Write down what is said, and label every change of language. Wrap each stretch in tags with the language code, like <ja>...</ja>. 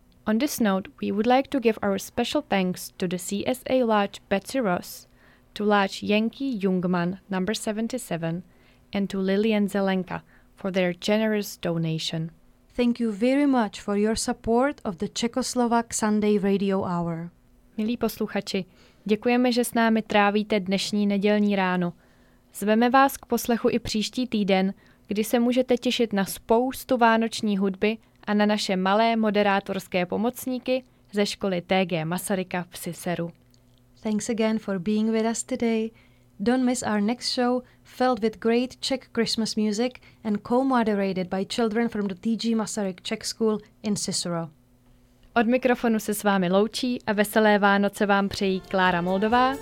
<en>On this note, we would like to give our special thanks to the CSA Lodge Betsy Ross, to Lodge Yankee Jungmann No. 77, and to Lillian Zelenka for their generous donation. Thank you very much for your support of the Czechoslovak Sunday Radio Hour.</en> <cs>Milí posluchači, děkujeme, že s námi trávíte dnešní nedělní ráno. Zveme vás k poslechu i příští týden, kdy se můžete těšit na spoustu vánoční hudby a na naše malé moderátorské pomocníky ze školy TG Masaryka v Siseru.</cs> <en>Thanks again for being with us today. Don't miss our next show filled with great Czech Christmas music and co-moderated by children from the TG Masaryk Czech School in Siseru.</en> <cs>Od mikrofonu se s vámi loučí a veselé Vánoce vám přejí Klára Moldová</cs>